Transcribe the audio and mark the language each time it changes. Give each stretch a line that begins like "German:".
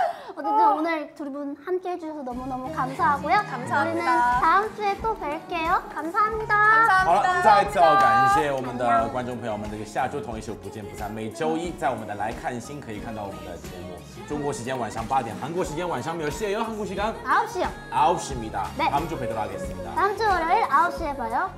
Korean: 어쨌든 오늘 두 분 함께 해주셔서 너무너무 감사하고요. 감사합니다. 우리는 다음 주에 또 뵐게요. 감사합니다. 감사합니다.
Chinese: 好了,
Korean: 감사합니다.
Chinese: 再次感谢我们的观众朋友们，这个下周同一时不见不散，每周一在我们的来看星可以看到我们的节目。中国时间晚上8点，韩国时间晚上
Korean: 9시에요，
Chinese: 韩国
Korean: 시간9시입니다. 다음 주 뵙도록 하겠습니다. 다음 주 월요일 9시에 봐요.